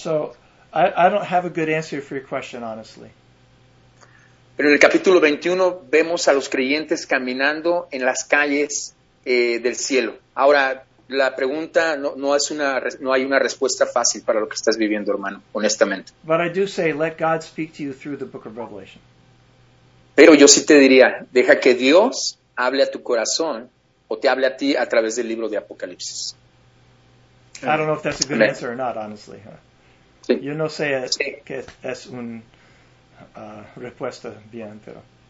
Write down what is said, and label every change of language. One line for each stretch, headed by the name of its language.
English: So, I don't have a good answer for your question, honestly.
Spanish: Pero en el capítulo 21, vemos a los creyentes caminando en las calles del cielo. Ahora, la pregunta no hay una respuesta fácil para lo que estás viviendo, hermano, honestamente.
English: But I do say, let God speak to you through the book of Revelation.
Spanish: Pero yo sí te diría, deja que Dios hable a tu corazón o te hable a ti a través del libro de Apocalipsis.
English: I don't know if that's a good answer or not, honestly. Huh?
Spanish: Sí. Yo no sé que es una respuesta bien, pero...